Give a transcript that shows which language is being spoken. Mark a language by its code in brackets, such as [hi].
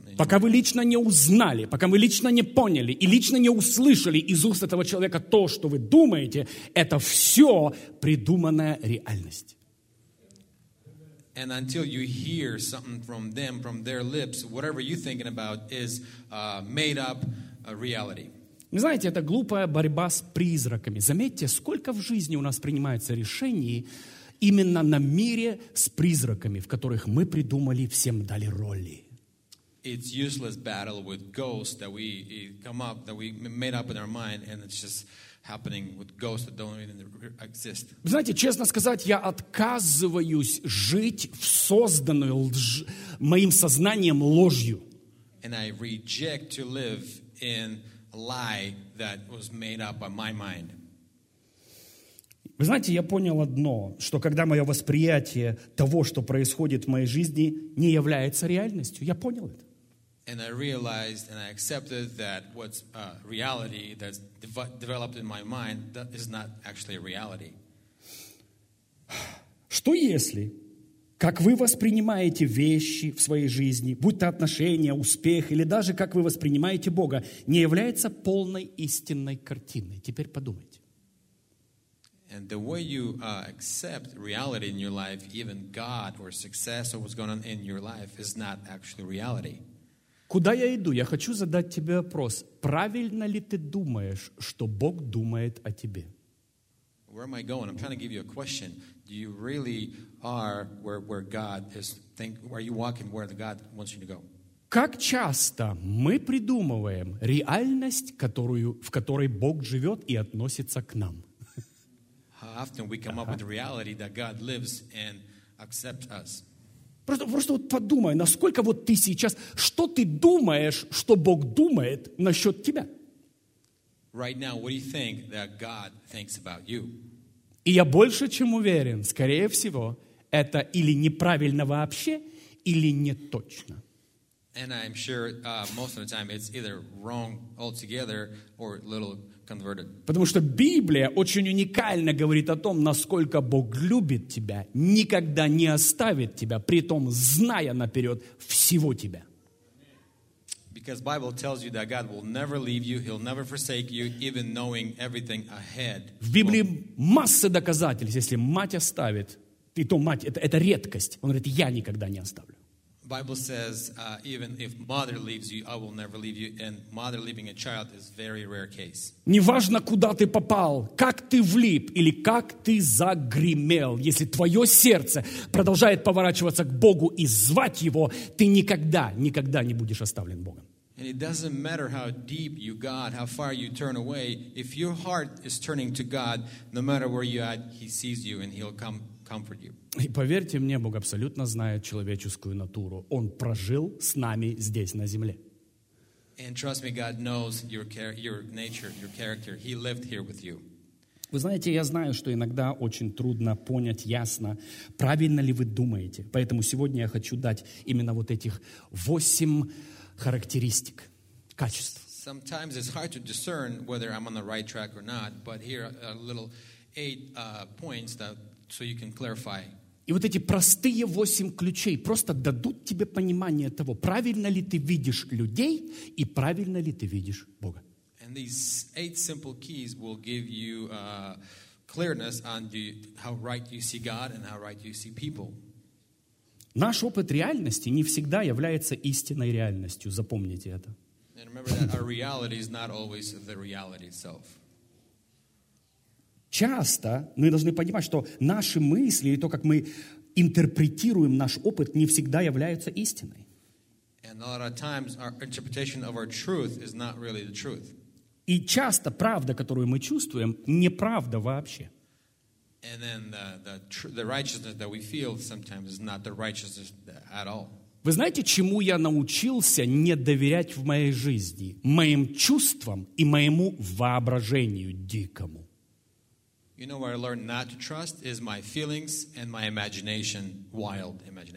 [ru] Пока вы лично не узнали, пока вы лично не поняли и лично не услышали из уст этого человека то, что вы думаете, это все придуманная реальность. [en] And until you hear something from them, from their lips, whatever you're thinking about is made up a reality. [ru] Вы знаете, это глупая борьба с призраками. Заметьте, сколько в жизни у нас принимается решений именно на мире с призраками, в которых мы придумали, всем дали роли. [en] It's useless battle with ghosts that we come up, that we made up in our mind, and it's just happening with ghosts that don't even exist. [ru] Знаете, честно сказать, я отказываюсь жить в созданную моим сознанием ложью. [en] And I reject to live in a lie that was made up by my mind. [ru] Вы знаете, я понял одно, что когда мое восприятие того, что происходит в моей жизни, не является реальностью, я понял это. [en] And I realized and I accepted that what's reality that's developed in my mind that is not actually a reality. [ru] Что если, как вы воспринимаете вещи в своей жизни, будь то отношения, успех, или даже как вы воспринимаете Бога, не является полной истинной картиной? Теперь подумайте. [en] And the way you accept reality in your life, even God or success or what's going on in your life, is not actually reality. [ru] Куда я иду? Я хочу задать тебе вопрос. Правильно ли ты думаешь, что Бог думает о тебе? [en] Where am I going? I'm trying to give you a question. Do you really are where God is thinking? Are you walking where God wants you to go? [ru] Как часто мы придумываем реальность, которую, в которой Бог живет и относится к нам? [en] How often we come up with the reality that God lives and accepts us? [ru] Просто вот подумай, насколько вот ты сейчас, что ты думаешь, что Бог думает насчет тебя? [en] Right now, what do you think that God thinks about you? [ru] И я больше чем уверен, скорее всего, это или неправильно вообще, или не точно. [en] And I'm sure most of the time it's either wrong altogether or a little converted. [ru] Потому что Библия очень уникально говорит о том, насколько Бог любит тебя, никогда не оставит тебя, при том зная наперед всего тебя. [en] Because Bible tells you that God will never leave you, he'll never forsake you, even knowing everything ahead. [ru] В Библии масса доказательств, если мать оставит, и то мать, это редкость. Он говорит, я никогда не оставлю. [en] Bible says, even if mother leaves you, I will never leave you. And mother leaving a child is a very rare case. [ru] Неважно, куда ты попал, как ты влип или как ты загремел, если твое сердце продолжает поворачиваться к Богу и звать Его, ты никогда, никогда не будешь оставлен Богом. [en] And it doesn't matter how deep you got, how far you turn away. If your heart is turning to God, no matter where you at, He sees you and He'll come. [ru] И поверьте мне, Бог абсолютно знает человеческую натуру. Он прожил с нами здесь, на земле. [en] And trust me, God knows your nature, your character. He lived here with you. [ru] Вы знаете, я знаю, что иногда очень трудно понять ясно, правильно ли вы думаете. Поэтому сегодня я хочу дать именно вот этих 8 характеристик, качеств. [en] Sometimes it's hard to discern whether I'm on the right track or not, but here are little 8 points that so you can clarify. [ru] И вот эти простые 8 ключей просто дадут тебе понимание того, правильно ли ты видишь людей и правильно ли ты видишь Бога. [en] And these 8 simple keys will give you clearness on how right you see God and how right you see people. [ru] Наш опыт реальности не всегда является истинной реальностью. Запомните это. [en] And remember that our reality is not always the reality itself. [ru] Часто мы должны понимать, что наши мысли и то, как мы интерпретируем наш опыт, не всегда являются истиной. [en] And a lot of times our interpretation of our truth is not really the truth. [ru] И часто правда, которую мы чувствуем, неправда вообще. [en] And then the righteousness that we feel sometimes is not the righteousness at all. [ru] Вы знаете, чему я научился не доверять в моей жизни? Моим чувствам и моему воображению дикому. [en] You know where I learned not to trust is my feelings and my imagination, wild imagination.